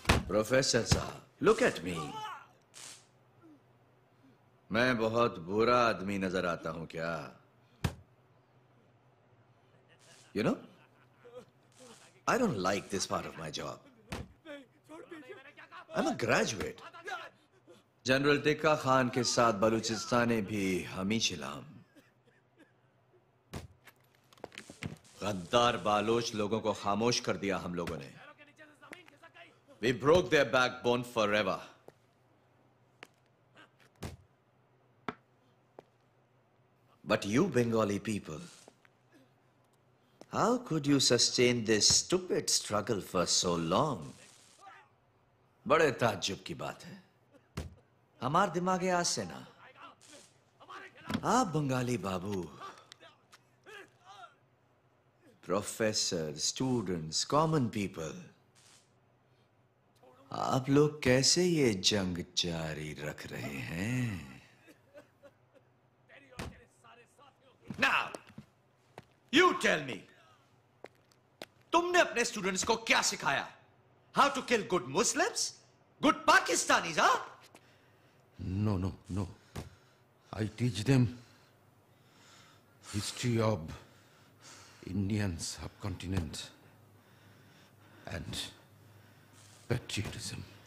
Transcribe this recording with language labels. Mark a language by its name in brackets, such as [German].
[English] Professor sir, look at me. [Hindi] मैं बहुत बुरा आदमी नजर आता हूं क्या [English] you know I don't like this part of my job I am a graduate [Hindi] general tikka Khan के साथ बलूचिस्तान भी हम ही छिलाम गद्दार बालोच लोगों को खामोश कर दिया हम लोगों ने. [English] We broke their backbone forever. But you Bengali people, how could you sustain this stupid struggle for so long? [Hindi] बड़े ताज्जुब की बात है. हमार दिमाग है आज से ना. आप बंगाली बाबू, प्रोफेसर, स्टूडेंट्स, [English] common people, [Hindi] आप लोग कैसे ये जंग जारी रख रहे हैं? [English] Now, you tell me, [Hindi] तुमने अपने स्टूडेंट्स को क्या सिखाया? [English] How to kill good Muslims, good Pakistanis, huh? No. I teach them history of Indian subcontinent and patriotism.